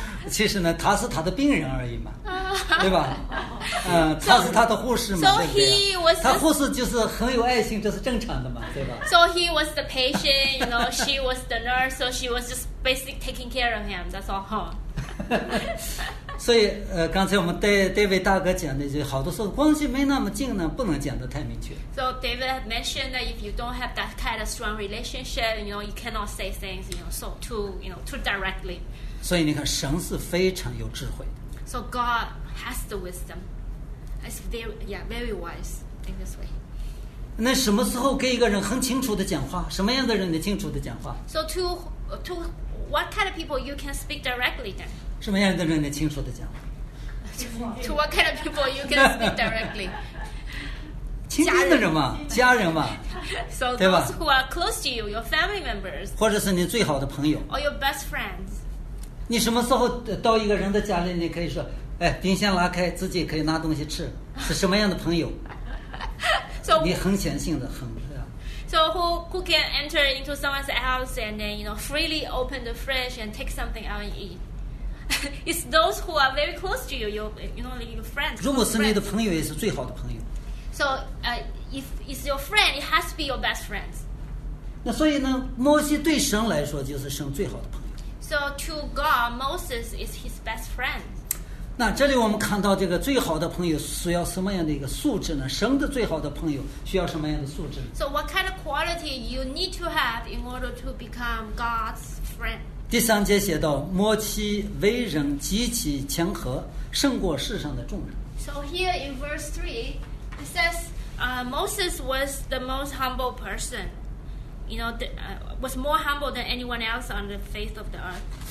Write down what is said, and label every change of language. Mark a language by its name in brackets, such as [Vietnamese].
[Chinese] 其实呢，他是他的病人而已嘛，对吧？他是他的护士嘛，对不对？他护士就是很有爱心，这是正常的嘛，对吧 [English] ？So he was the patient, you know. She was the nurse, so she was just basically taking care of him. That's all, huh? [Chinese] 所以，刚才我们David大哥讲的，就好多时候关系没那么近呢，不能讲得太明确。 [English] So David mentioned that if you don't have that kind of strong relationship, you know, you cannot say things, you know, so too directly. [Chinese] 所以你看，神是非常有智慧的。 [English] So God has the wisdom. It's very wise in this way. [Chinese] 那什么时候给一个人很清楚的讲话？什么样的人能清楚的讲话 [English] ？So to what kind of people you can speak directly then? [Chinese] 什么样的人能清楚的讲话 [English] ？To what kind of people you can speak directly? [Chinese] 亲近的人嘛，家人嘛。 [English] So those who are close to you, your family members. [Chinese] 或者是你最好的朋友。 [English] Or your best friends. [Chinese] 你什么时候到一个人的家里，你可以说，哎，冰箱拉开，自己可以拿东西吃，是什么样的朋友？ [English] so, [Chinese] 你很显性的，很。 [English] So who can enter into someone's house and then you know freely open the fridge and take something out and eat? It's those who are very close to you, your friends. [Chinese] 如果是你的朋友，也是最好的朋友。 [English] So if it's your friend, it has to be your best friends. [Chinese] 那所以呢，摩西对神来说就是神最好的朋友。 [English] So to God, Moses is his best friend. [Chinese] 那这里我们看到这个最好的朋友需要什么样的一个素质呢？神的最好的朋友需要什么样的素质 [English] ？So what kind of quality you need to have in order to become God's friend? [Chinese] 第三节写到，摩西为人极其谦和，胜过世上的众人。 [English] So here in verse 3, it says, Moses was the most humble person. You know, was more humble than anyone else on the face of the earth.